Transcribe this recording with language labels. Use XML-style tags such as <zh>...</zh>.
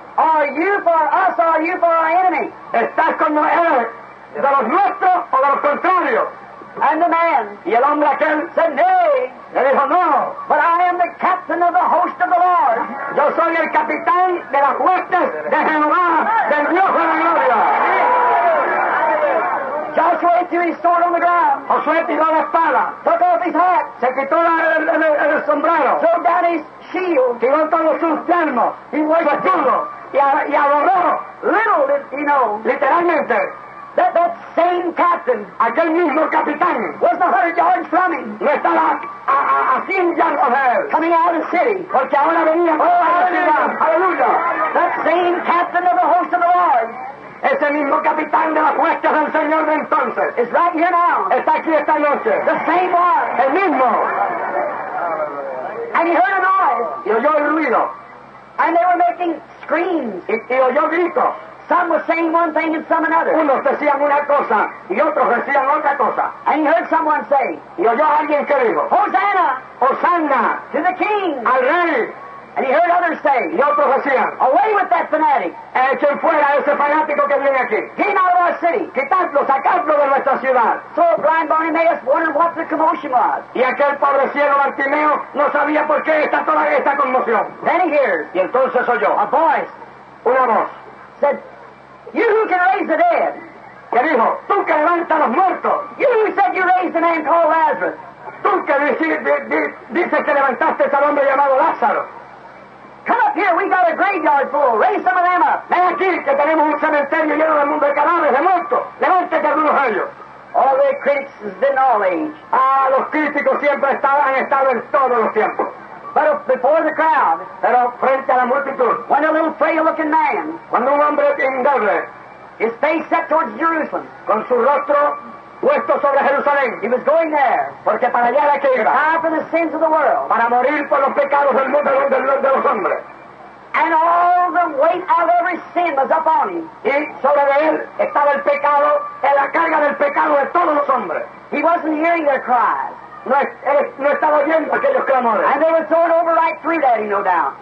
<en>Are you for us or are you for our enemy?</en> <es>¿Estás con nosotros, de los nuestros o de los contrarios?</es> <en>And the man.</en> <es>Y el hombre aquel.</es> <en>Said nay.</en> <es>Le dijo no.</es> <en>But I am the captain of the host of the Lord.</en> <es>Yo soy el capitán de las huestes de Jehová, del Dios de la gloria.</es> <en>Joshua threw his sword on the ground.</en> <es>Josué tiró la espada.</es> <en>Took off his hat.</en> <es>Se quitó el sombrero.</es> <en>Threw down his shield.</en> <es>Tiró todos sus yelmos.</es> <en>He worshiped.</en> <es>Su escudo. Y adoró.</es> <en>Little did he know.</en> <es>Literalmente.</es> <en>That same captain.</en> <es>Aquel mismo capitán.</es> <en>Was 100 yards from him.</en> <es>No estaba a 100</es> <en>yards of</en> <es>él.</es> <en>Coming out of the city.</en> <es>Porque ahora venía.</es> <en>Oh, hallelujah. Hallelujah. That same captain of the host of the Lord.</en> <es>Ese mismo capitán de las huestes del Señor de entonces.</es> <en>Is right here now.</en> <es>Está aquí esta noche.</es> <en>The same one.</en> <es>El mismo.</es> <en>And he heard a noise.</en> <es>Y oyó el ruido.</es> <en>And they were making screams.</en> <es>Y oyó gritos.</es> <en>Some were saying one thing and some another.</en> <es>Unos decían una cosa y otros decían otra cosa.</es> <en>And he heard someone say.</en> <es>Y oyó alguien que dijo.</es> <en>Hosanna.</en> <es>Hosanna.</es> <en>To the king.</en> <es>Al rey.</es> <en>And he heard others say,</en> <es>y otros decían,</es> <en>away with that fanatic.</en> <es>Echen fuera ese fanático que viene aquí.</es> <en>Get out of our city.</en> <es>Quitadlo, sacadlo de nuestra ciudad.</es> <en>So blind Bartimaeus wondered what the commotion was.</en> <es>Y aquel pobre ciego Bartimeo no sabía por qué está toda esta conmoción.</es> <en>Then he hears,</en> <es>y entonces oyó,</es> <en>a voice,</en> <es>una voz,</es> <en>said, you who can raise the dead.</en> <es>Que dijo, tú que levantas los muertos.</es> <en>You who said you raised a man called Lazarus.</en> <es>Tú que dices que levantaste al hombre llamado Lázaro.</es> <en>Come up here, we got a graveyard full. Raise some of them up.</en> <es>Ven aquí, que tenemos un cementerio lleno del mundo de cadáveres, de muertos. Levántate algunos de ellos.</es> <en>All the critics have been all age.</en> <es>Ah, los críticos siempre han estado en todos los tiempos.</es> <en>But before the crowd.</en> <es>Pero frente a la multitud.</es> <en>When a little frail looking man.</en> <es>Cuando un hombre indoble.</es> <en>His face set towards Jerusalem.</en> <es>Con su rostro puesto sobre Jerusalén.</es> <en>He was going there.</en> <es>Porque para allá era que iba.</es> <en>To die for the sins of the world.</en> <es>Para morir por los pecados del mundo de los hombres.</es> <en>And all the weight of every sin was upon him.</en> <es>Y sobre él estaba el pecado, la carga del pecado de todos los hombres.</es> <en>He wasn't hearing their cries.</en> <es>No estaba oyendo aquellos clamores.</es> <en>And they were throwing over right through that, no doubt.</en>